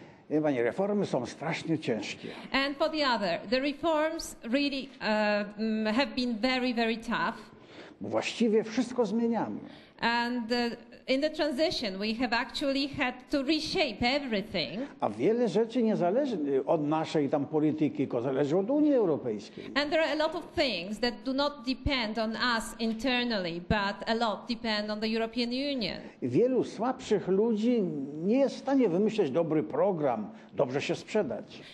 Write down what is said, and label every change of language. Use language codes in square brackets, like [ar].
[pl] Wie pani, reformy są strasznie ciężkie. [en] And for the other, the reforms really have been very, very tough. [pl] Bo właściwie wszystko zmieniamy. [en] And in the transition, we have actually had to reshape everything. [pl] A wiele rzeczy nie zależy od naszej tam polityki, tylko zależy od Unii Europejskiej. [en] And there are a lot of things that do not depend on us internally, but a lot depend on the European Union. [pl] Wielu słabszych ludzi nie jest w stanie wymyśleć dobry program, dobrze się sprzedać.